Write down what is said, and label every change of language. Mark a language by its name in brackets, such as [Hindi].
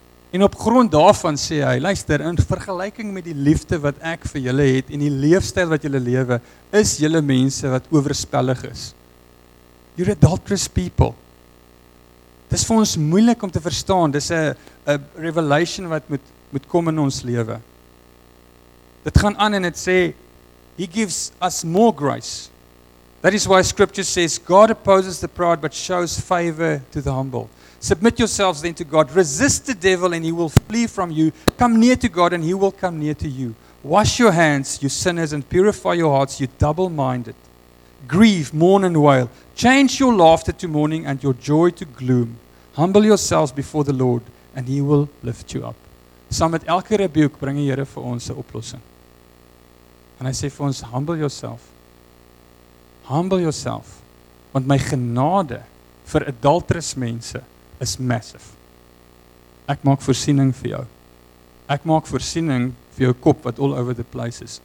[Afrikaans] En op grond daarvan sê hy, luister, in vergelyking met die liefde wat ek vir julle het en die leefstyl wat julle lewe, is julle mense wat oorspelig is. [English] You're adulterous people. [Afrikaans] Dis vir ons moeilik om te verstaan. Dis 'n revelation wat moet kom in ons lewe. Dit gaan aan en dit sê, [English] he gives us more grace. That is why scripture says, God opposes the proud but shows favor to the humble. Submit yourselves then to God. Resist the devil and he will flee from you. Come near to God and he will come near to you. Wash your hands, you sinners, and purify your hearts, you double-minded. Grieve, mourn, and wail. Change your laughter to mourning and your joy to gloom. Humble yourselves before the Lord and he will lift you up. [Afrikaans] Saam met elke rebuke bring die Here vir ons 'n oplossing. En hy sê vir ons, [English] humble yourself. Humble yourself. [Afrikaans] Want my genade vir adulterous mense is massive. Ek maak voorsiening vir jou. Ek maak voorsiening vir jou kop wat [English] all over the place [Afrikaans] is.